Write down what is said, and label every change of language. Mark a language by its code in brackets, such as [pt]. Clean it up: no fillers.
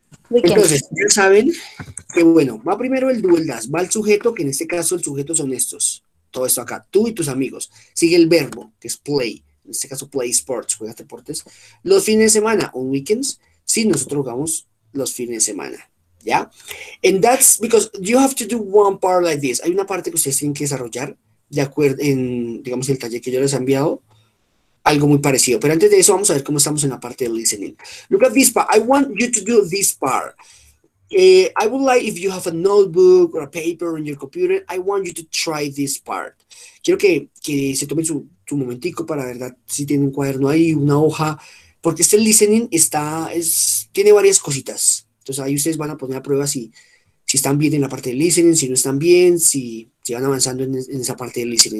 [es] Entonces, ya saben que, bueno, va primero el do, el das, va el sujeto, que en este caso el sujeto son estos, todo esto acá, tú y tus amigos. Sigue el verbo, que es play, en este caso [en] play sports, [es] juega deportes. Los fines de semana, [en] on weekends, [es] sí, nosotros jugamos los fines de semana, ¿ya? [en] And that's because you have to do one part like this. [es] Hay una parte que ustedes tienen que desarrollar, de acuerdo, en, digamos, el taller que yo les he enviado. Algo muy parecido. Pero antes de eso, vamos a ver cómo estamos en la parte de listening. [en] Look at this part. I want you to do this part. I would like, if you have a notebook or a paper on your computer, I want you to try this part. [es] Quiero que se tomen su momentico para, verdad, si tienen un cuaderno ahí, una hoja. Porque este listening tiene varias cositas. Entonces, ahí ustedes van a poner a prueba si están bien en la parte de listening, si no están bien, si van avanzando en esa parte de listening.